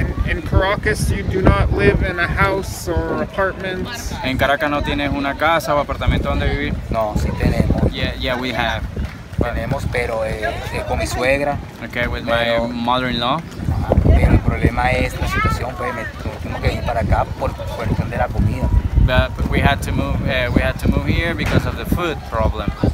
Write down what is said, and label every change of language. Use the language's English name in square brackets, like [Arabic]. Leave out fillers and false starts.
[English] In Caracas, you do not live in a house or apartments. [Spanish] En Caracas no tienes una casa o apartamento donde vivir. No, sí tenemos. [English] Yeah, we have. [Spanish] Tenemos, pero con mi suegra. [English] Okay, with my mother-in-law. [Spanish] Pero el problema es la situación, pues, me tengo que ir para acá por cuestión de la comida. [English] But we had to move. We had to move here because of the food problem.